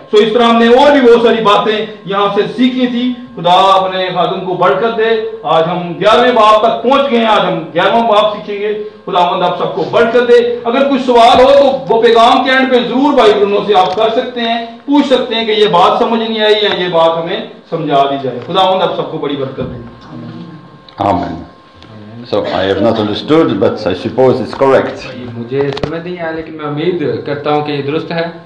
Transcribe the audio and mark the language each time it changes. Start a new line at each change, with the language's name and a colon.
Hindi: सो इस तरह हमने और भी बहुत सारी बातें यहां से सीखी थी। खुदा अपने खादिम को बरकत दे। आज हम 11वें बाब तक पहुंच गए हैं, आज हम 11वां बाब सीखेंगे। खुदावंद आप सबको बरकत दे। अगर कुछ सवाल हो तो वो पैगाम के एंड पे जरूर भाई ब्रुनो से आप कर सकते हैं, पूछ सकते हैं कि ये बात समझ नहीं आई या ये बात हमें समझा दी जाए। खुदावंद आप सबको बड़ी बरकत दे। आमीन।
English: So I have not understood, but I suppose it's correct.
Hindi: मुझे समझ नहीं आया, लेकिन मैं उम्मीद करता हूँ कि ये दुरुस्त है।